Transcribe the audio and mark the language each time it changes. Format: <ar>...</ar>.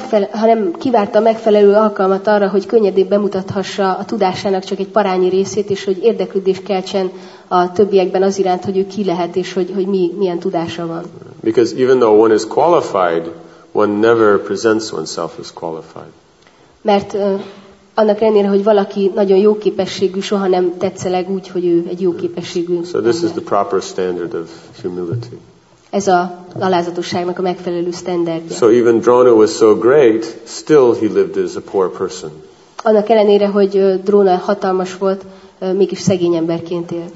<hu>Hanem kivárta a megfelelő alkalmat arra, hogy könnyedén bemutathassa a tudásának csak egy parányi részét, és hogy érdeklődést keltsen a többiekben az iránt, hogy ő ki lehet, és hogy milyen tudása van.</hu> <en>Because even though one is qualified, one never presents oneself as qualified.</en> <hu>Mert annak ellenére, hogy valaki nagyon jó képességű, soha nem tetszeleg úgy, hogy ő egy jó képességű.</hu> <en>So this is the proper standard of humility.</en> <hu>Ez a alázatosságnak a megfelelő standardja.</hu> <en>So even Drona was so great, still he lived as a poor person.</en> <hu>Annak ellenére, hogy Drona hatalmas volt, mégis szegény emberként élt.</hu>